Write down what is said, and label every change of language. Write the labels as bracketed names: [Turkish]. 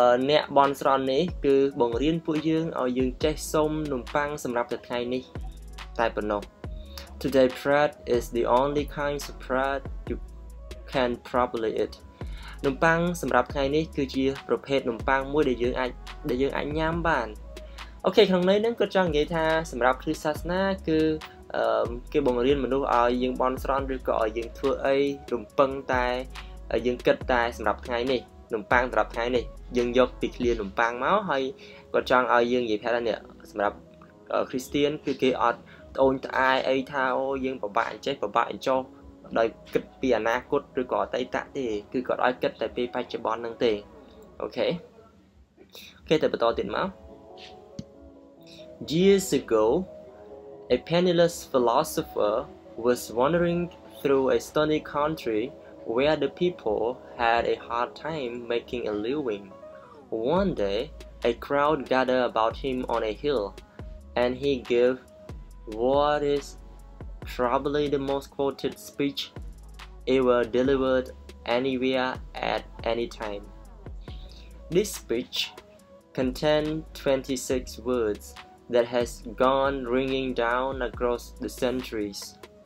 [Khmer] អ្នកបន់ស្រន់នេះគឺបង្រៀនពួកយើងឲ្យយើងចេះសុំនំប៉័ងសម្រាប់តែថ្ងៃនេះតែប៉ុណ្ណោះ. [English] Today bread is the only kind of bread you can properly eat. [Khmer] នំប៉័ងសម្រាប់ថ្ងៃនេះគឺជាប្រភេទនំប៉័ងមួយដែលយើងអាចញ៉ាំបានអូខេក្នុងនេះនឹងក៏ចង់និយាយថាសម្រាប់គ្រីស្ទសាសនាគឺ គេបង្រៀនមនុស្សឲ្យយើងបន់ស្រន់ឬក៏ឲ្យយើងធ្វើអីរំពឹងតែយើងគិតតែសម្រាប់ថ្ងៃនេះនំប៉័ងសម្រាប់ថ្ងៃនេះយើងយកពីឃ្លានំប៉័ងមកហើយក៏ចង់ឲ្យយើងនិយាយថានេះសម្រាប់ គ្រីស្ទៀនគឺគេអត់ត្អូញត្អែអីថាអូយើងពិបាកអញ្ចេះពិបាកអញ្ចោះដោយគិតពីអនាគតឬក៏អតីតទេគឺគាត់ឲ្យគិតតែពីបច្ចុប្បន្ននឹងទេអូខេគេទៅបន្តទៀតមក [English] Years ago a penniless philosopher was wandering through a stony countryWhere the people had a hard time making a living. One day, a crowd gathered about him on a hill, and he gave what is probably the most quoted speech ever delivered anywhere at any time. This speech contained 26 words that has gone ringing down across the centuries.